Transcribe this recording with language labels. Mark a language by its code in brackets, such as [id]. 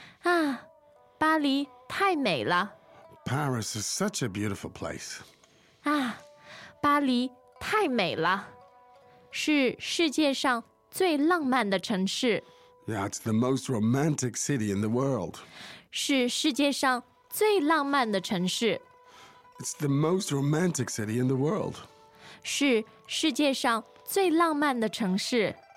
[zh] Ah, Bali 太美了. [en] Paris is such a beautiful place. [zh] Ah, Bali 太美了。是世界上最浪漫的城市。 [en] Yeah, it's the most romantic city in the world. [zh] 是世界上最浪漫的城市. [en] It's the most romantic city in the world. [zh] 是世界上最浪漫的城市.